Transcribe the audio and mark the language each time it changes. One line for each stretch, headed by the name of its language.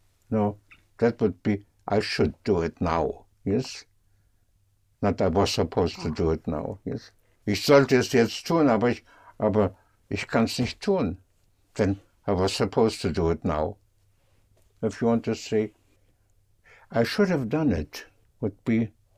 English: No, that would be, I should do it now. Yes? Not I was supposed to do it now. Yes?
German: Ich sollte es jetzt tun, aber ich kann es nicht tun, denn
English: I was supposed to do it now. If you want to say, I should have done it, would be,